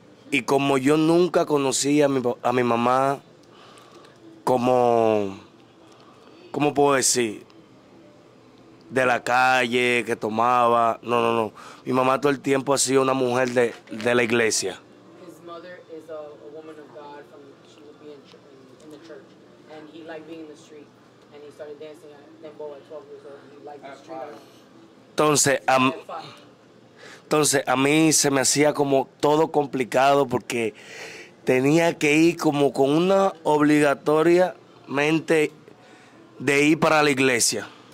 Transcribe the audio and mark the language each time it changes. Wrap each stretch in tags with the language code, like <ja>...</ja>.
<es>Y como yo nunca conocí a mi mamá, como, ¿cómo puedo decir? De la calle, que tomaba. No, no, no. Mi mamá todo el tiempo ha sido una mujer de la iglesia.</es> <en>His mother is a woman of God from, she would be in the church. And he liked being in the street. And he started dancing at dembow at 12 years old. He liked the street.</en> <es>Entonces, a mí se me hacía como todo complicado porque tenía que ir como con una obligatoria mente de ir para la iglesia.</es>